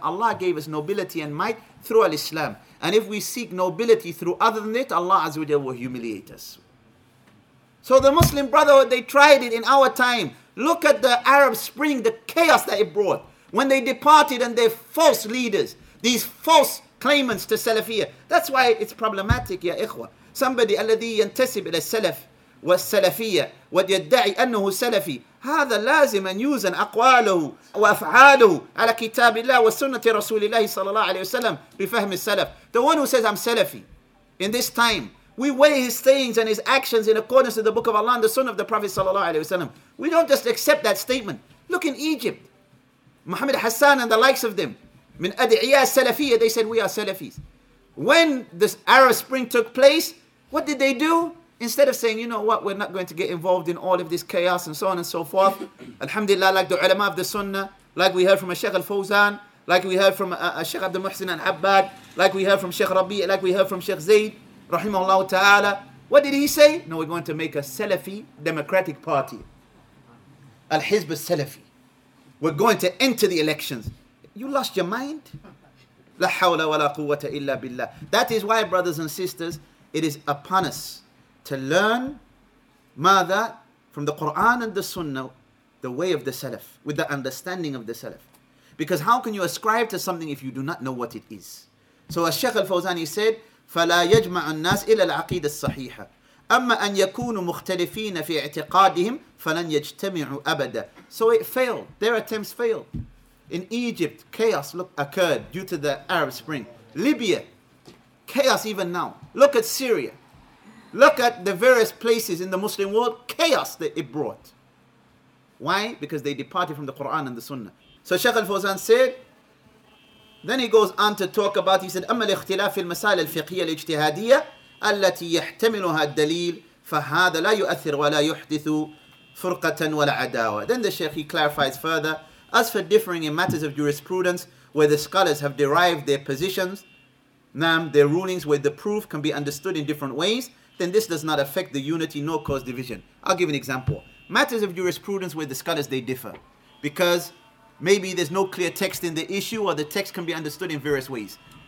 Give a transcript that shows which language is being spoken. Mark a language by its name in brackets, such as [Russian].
[English] Allah gave us nobility and might through al-Islam. And if we seek nobility through other than it, Allah azza wa jalla will humiliate us. So the Muslim Brotherhood, they tried it in our time. Look at the Arab Spring, the chaos that it brought. When they departed and their false leaders, these false claimants to Salafiyyah. That's why it's problematic, ya ikhwa. Somebody, [Arabic] الذي ينتسب إلى السلف والسلفية ويدعي أنه سلفي هذا لازم أن يوزن أقواله وأفعاله على كتاب الله وسنة رسول الله صلى الله عليه وسلم بفهم السلف. [English] The one who says I'm Salafi in this time, we weigh his sayings and his actions in accordance to the Book of Allah and the Sunnah of the Prophet sallallahu alaihi wasallam. We don't just accept that statement. Look in Egypt, Muhammad Hassan and the likes of them, min adiyya salafiyya, they said we are Salafis. When this Arab Spring took place, what did they do? Instead of saying, you know what, we're not going to get involved in all of this chaos and so on and so forth. Alhamdulillah, like the ulama of the Sunnah, like we heard from Sheikh Al-Fawzan, like we heard from Sheikh Abdul Muhsin Al-Abbad, like we heard from Sheikh Rabi, like we heard from Sheikh Zayd, rahimahullah ta'ala. What did he say? No, we're going to make a Salafi democratic party. Al-Hizb al-Salafi. We're going to enter the elections. You lost your mind? [Arabic] La hawla wa la quwwata illa billah. [English] That is why, brothers and sisters, it is upon us to learn ماذا from the Quran and the Sunnah, the way of the Salaf, with the understanding of the Salaf. Because how can you ascribe to something if you do not know what it is? So as Sheikh Al-Fawzani said, [Arabic] فَلَا يَجْمَعُ النَّاسِ إِلَّا الْعَقِيدَ الصَّحِيحَةِ أَمَّا أَن يَكُونُوا مُخْتَلِفِينَ فِي اعْتِقَادِهِمْ فَلَنْ يَجْتَمِعُوا أَبَدًا. [English] So it failed. Their attempts failed. In Egypt, chaos occurred due to the Arab Spring. Libya, chaos even now. Look at Syria. Look at the various places in the Muslim world. Chaos that it brought. Why? Because they departed from the Quran and the Sunnah. So Sheikh Al-Fawzan said, then he goes on to talk about, he said, [Arabic] أَمَّا الْإِخْتِلَافِ فِي الْمَسَالِ الْفِقْهِيَ الْإِجْتِهَادِيَةِ أَلَّتِي يَحْتَمِلُهَا الدَّلِيلِ فَهَذَا لَا يُؤَثِّرُ وَلَا يُحْدِثُ فُرْقَةً وَلَا عَدَاوَةً. [English] Then the Sheikh, he clarifies further, as for differing in matters of jurisprudence, where the scholars have derived their positions, their rulings, where the proof can be understood in different ways, then this does not affect the unity nor cause division. I'll give an example. Matters of jurisprudence where the scholars, they differ. Because maybe there's no clear text in the issue, or the text can be understood in various ways.